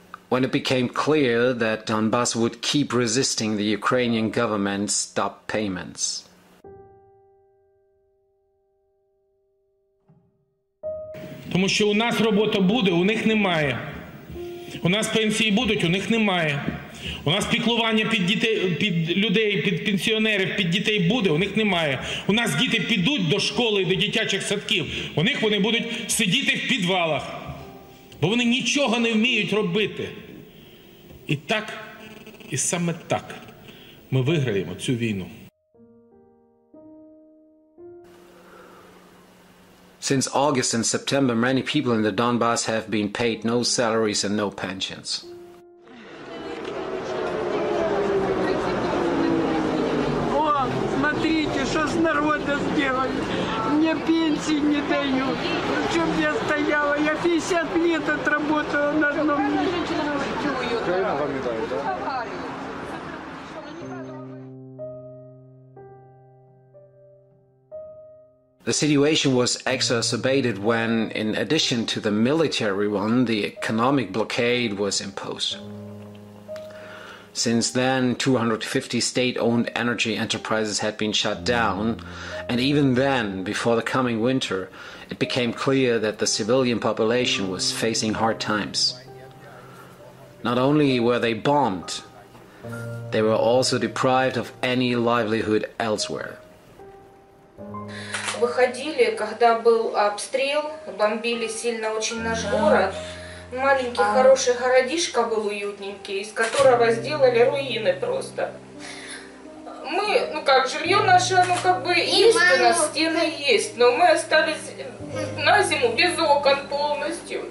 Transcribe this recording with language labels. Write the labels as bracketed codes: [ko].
[en] When it became clear that Donbass would keep resisting the Ukrainian government's stop payments. [uk] Тому що у нас робота буде, у них немає. У нас пенсії будуть, у них немає. У нас піклування під дітей, під людей, під пенсіонерів, під дітей буде, у них немає. У нас діти підуть до школи, до дитячих садків, у них вони будуть сидіти в підвалах, бо вони нічого не вміють робити. І так, і саме так ми виграємо цю війну. [en] Since August and September, many people in the Donbas have been paid no salaries and no pensions. [uk] О, смотрите, що з народу зробили. Мені пенсії не дають. В чому я стояла? Я 50 років отработала на одному. Що, яка жінка чує? Країна вам не дає, так? [en] The situation was exacerbated when, in addition to the military one, the economic blockade was imposed. Since then, 250 state-owned energy enterprises had been shut down, and even then, before the coming winter, it became clear that the civilian population was facing hard times. Not only were they bombed, they were also deprived of any livelihood elsewhere. [ru] Выходили, когда был обстрел, бомбили сильно очень наш город. Маленький хороший городишко был уютненький, из которого сделали руины просто. Мы, ну как, жилье наше, оно как бы есть, у нас стены есть, но мы остались на зиму без окон полностью.